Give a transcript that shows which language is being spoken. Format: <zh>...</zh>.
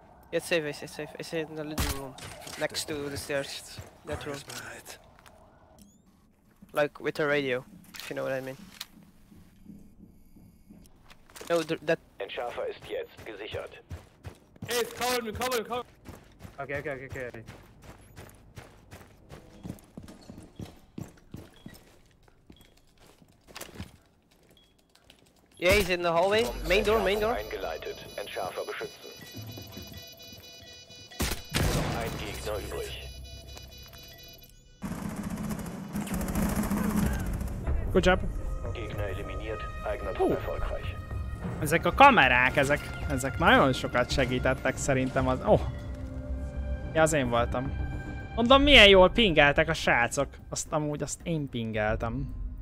<en>Yeah, it's safe. I see it in the living room. Next to the stairs. That room. Like with a radio, if you know what I mean. No, that.</en> <de>Entschärfer ist jetzt gesichert.</de> <en>Hey, it's coming, coming. Okay. Yeah, he's in the hallway. Main door.</en> <de>Eingeleitet. Entschärfer beschützen. Noch ein Gegner übrig.</de> <en>Good job.</en> <de>Gegner eliminiert, Eigner tot erfolgreich.</de> <hu>Ezek a kamerák, ezek nagyon sokat segítettek szerintem az... Oh! Ja, az én voltam. Mondom, milyen jól pingeltek a srácok. Azt amúgy, azt én pingeltem.</hu>